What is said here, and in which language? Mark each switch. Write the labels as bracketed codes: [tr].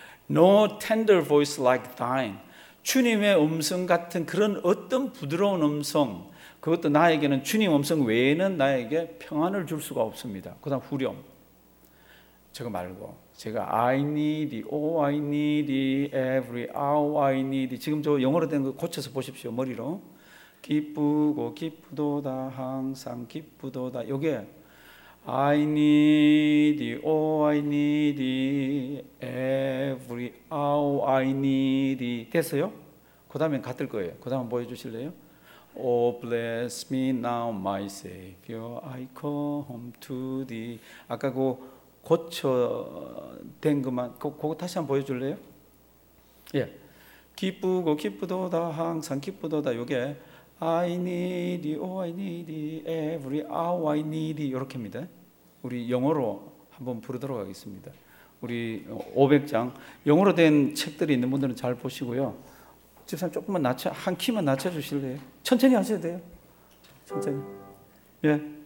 [en] No tender voice like thine. [ko] 주님의 음성 같은 그런 어떤 부드러운 음성, 그것도 나에게는 주님 음성 외에는 나에게 평안을 줄 수가 없습니다. 그 다음 후렴. 저거 말고. 제가 [en] I need it, oh I need it, every hour I need it. [ko] 지금 저 영어로 된 거 고쳐서 보십시오. 머리로. 기쁘고 기쁘도다, 항상 기쁘도다. 요게. [en] I need it, oh I need it, every hour I need it. [ko] 됐어요? 그 다음엔 같을 거예요. 그 다음 보여주실래요? [en] Oh bless me now my Savior, I come home to thee. [ko] 아까 그 고쳐된 것만, 그거 다시 한번 보여줄래요? 예. 기쁘고 기쁘도다, 항상 기쁘도다. 요게 [en] I need it, oh I need it, every hour I need it. [ko] 요렇게입니다. 우리 영어로 한번 부르도록 하겠습니다. 우리 500장 영어로 된 책들이 있는 분들은 잘 보시고요. 집사님 조금만 낮춰 한 키만 낮춰 주실래요? 천천히 하셔도 돼요. 천천히. 예.